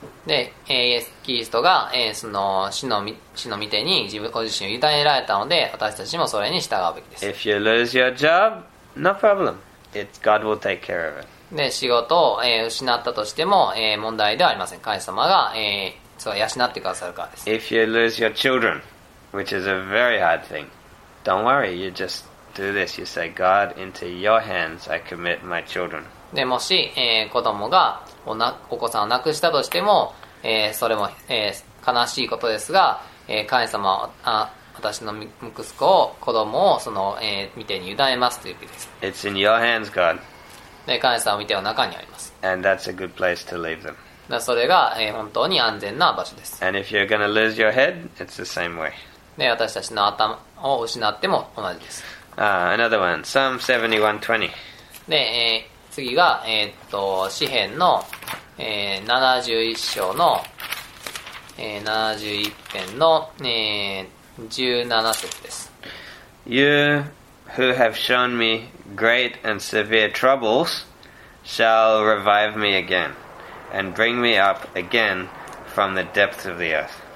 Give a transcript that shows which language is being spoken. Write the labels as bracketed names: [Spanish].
[Japanese] で、イエス・キリストが、その死の御手に自分ご自身を委ねられたので、私たちもそれに従うべきです。 [English] If you lose your job, no problem. It's God will take care of it. [Japanese] で、仕事を、失ったとしても、問題ではありません。神様が、そう養ってくださるからです。 [English] If you lose your children, which is a very hard thing. Don't worry, you just do this. You say, God, into your hands I commit my children. [Japanese] で、もし、子供がお子さんを亡くしたとしても、それも、悲しいことですが、神様は私の息子を、子供をその、見てに委ねますという意味です。 [English] It's in your hands, God. [Japanese] で、神様は見ての中にあります。 [English] And that's a good place to leave them. [Japanese] で、それが、本当に安全な場所です。 [English] And if you're going to lose your head, it's the same way. [Japanese] で、私たちの頭を失っても同じです。 [English] Another one. Psalm 71:20. [Japanese] で、次が、詩編の、71章の、71編の、17節です。 [English] You who have shown me great and severe troubles shall revive me again and bring me up again from the depths of the earth.